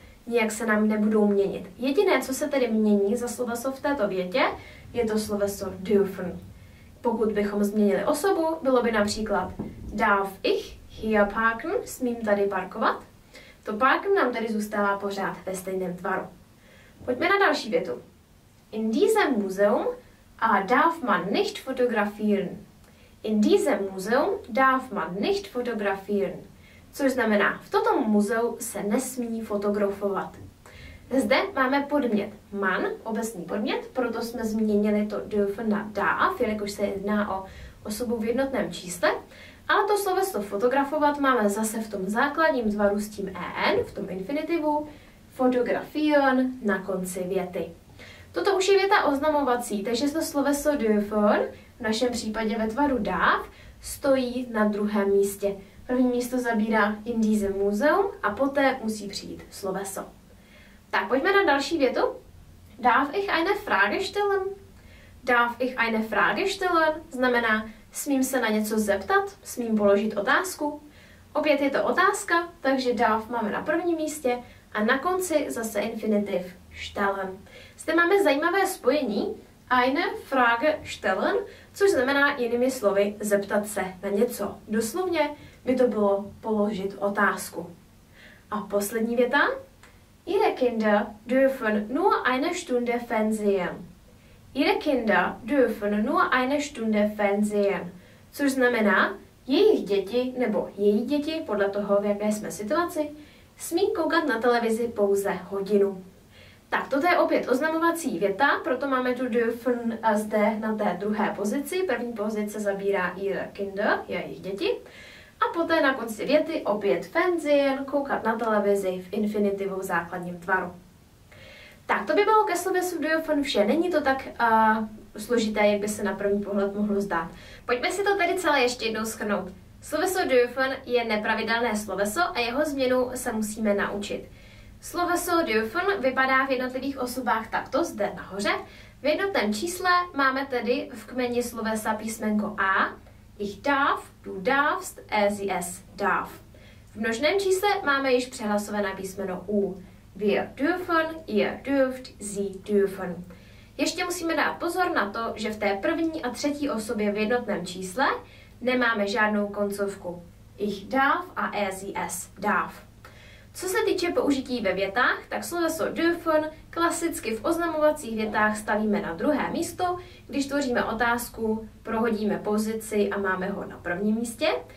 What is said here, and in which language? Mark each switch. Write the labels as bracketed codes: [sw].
[cs] Nijak se nám nebudou měnit. Jediné, co se tedy mění za sloveso v této větě, je to sloveso dürfen. Pokud bychom změnili osobu, bylo by například [de] darf ich hier parken, [cs] smím tady parkovat. To parken nám tady zůstává pořád ve stejném tvaru. Pojďme na další větu. [de] In diesem Museum darf man nicht fotografieren. In diesem Museum darf man nicht fotografieren. [cs] Což znamená, v tomto muzeu se nesmí fotografovat. Zde máme podmět man, obecný podmět, proto jsme změnili to dürfen na darf, jelikož se jedná o osobu v jednotném čísle. Ale to sloveso fotografovat máme zase v tom základním tvaru s tím en, v tom infinitivu, fotografieren na konci věty. Toto už je věta oznamovací, takže to sloveso dürfen v našem případě ve tvaru darf stojí na druhém místě. První místo zabírá [de] in diesem Museum [cs] a poté musí přijít sloveso. Tak pojďme na další větu. [de] Darf ich eine Frage stellen? Darf ich eine Frage stellen? [cs] Znamená, smím se na něco zeptat, smím položit otázku. Opět je to otázka, takže darf máme na prvním místě a na konci zase infinitiv stellen. Zde máme zajímavé spojení. [de] Eine Frage stellen, [cs] což znamená jinými slovy zeptat se na něco. Doslovně by to bylo položit otázku. A poslední věta. [de] Ihre Kinder dürfen nur eine Stunde fernsehen. Ihre Kinder dürfen nur eine Stunde fernsehen, [cs] což znamená jejich děti nebo její děti, podle toho, v jaké jsme situaci, smí koukat na televizi pouze hodinu. Tak, toto je opět oznamovací věta, proto máme tu dürfen zde na té druhé pozici. První pozice zabírá [de] ihr Kinder, [cs] jejich děti. A poté na konci věty opět fernsehen, koukat na televizi v infinitivu v základním tvaru. Tak, to by bylo ke slovesu dürfen vše. Není to tak složité, jak by se na první pohled mohlo zdát. Pojďme si to tedy celé ještě jednou shrnout. Sloveso dürfen je nepravidelné sloveso a jeho změnu se musíme naučit. Sloveso dürfen vypadá v jednotlivých osobách takto, zde nahoře. V jednotném čísle máme tedy v kmeni slovesa písmenko A. [de] Ich darf, du darfst, er, sie, es darf. [cs] V množném čísle máme již přehlasované písmeno U. [de] Wir dürfen, ihr dürft, sie dürfen. [cs] Ještě musíme dát pozor na to, že v té první a třetí osobě v jednotném čísle nemáme žádnou koncovku. [de] Ich darf [cs] a [de] er, sie, es darf. [cs] Co se týče použití ve větách, tak sloveso dürfen klasicky v oznamovacích větách stavíme na druhé místo, když tvoříme otázku, prohodíme pozici a máme ho na prvním místě.